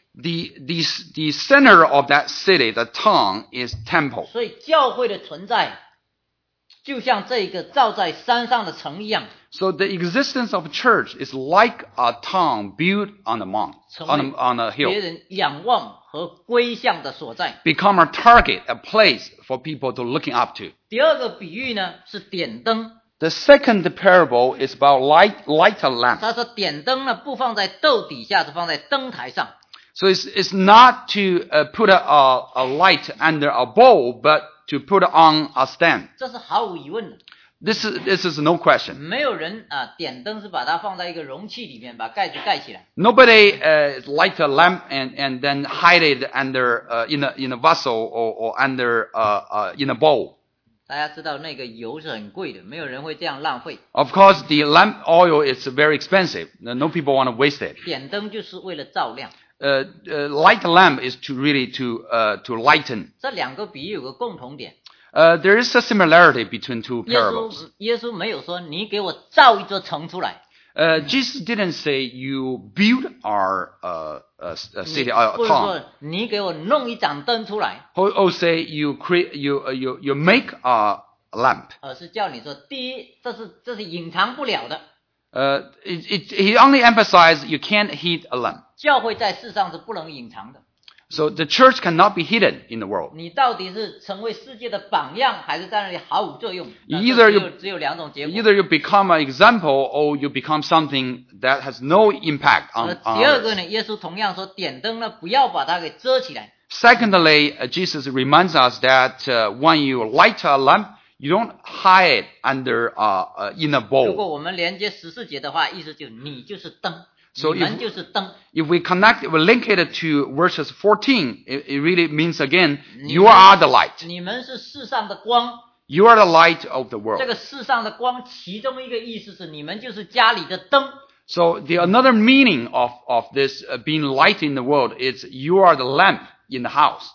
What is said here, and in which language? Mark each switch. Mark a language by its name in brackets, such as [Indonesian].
[English] The center of that city, the town, is temple. [Chinese] 所以教会的存在就像这个造在山上的城一样。 [English] So the existence of a church is like a town built on a mountain, on a hill. [Chinese] 别人仰望和归向的所在。 [English] Become a target, a place for people to looking up to. [Chinese] 第二个比喻呢是点灯。 [English] The second parable is about light a lamp. [Chinese] 他说点灯呢不放在豆底下，是放在灯台上。 [English] So it's not to put a light under a bowl, but to put on a stand. [Chinese] 这是毫无疑问的。 [English] This is no question. [Chinese] 没有人啊，点灯是把它放在一个容器里面，把盖子盖起来。 [English] Nobody light a lamp and then hide it under in a vessel or under in a bowl. [Chinese] 大家知道那个油是很贵的，没有人会这样浪费。 [English] Of course, the lamp oil is very expensive. No people want to waste it. [Chinese] 点灯就是为了照亮。 [English] Light a lamp is to lighten. [Chinese] 这两个比喻有个共同点。 [English] There is a similarity between two parables. [Chinese] 耶稣没有说你给我造一座城出来。 [English] Jesus didn't say you build our city, a town. [Chinese] 或者说你给我弄一盏灯出来。 [English] Or say you make a lamp. [Chinese] 而是叫你说第一这是隐藏不了的。 [English] He only emphasized you can't hide a lamp. [Chinese] 教会在世上是不能隐藏的。 [English] So the church cannot be hidden in the world. [Chinese] 你到底是成为世界的榜样，还是在那里毫无作用？ [English] Either [Chinese] 只有两种结果。 [English] Either you become an example, or you become something that has no impact on others. [Chinese] 第二个呢，耶稣同样说，点灯呢，不要把它给遮起来。 [English] Secondly, Jesus reminds us that when you light a lamp, you don't hide under in a bowl. [Chinese] 如果我们连接14节的话，意思就是你就是灯。 [English] So if we link it to verses 14, it really means again, you are the light. [Chinese] 你们是世上的光。 [English] You are the light of the world. [Chinese] 这个世上的光，其中一个意思是你们就是家里的灯。 [English] So the another meaning of this being light in the world is you are the lamp in the house.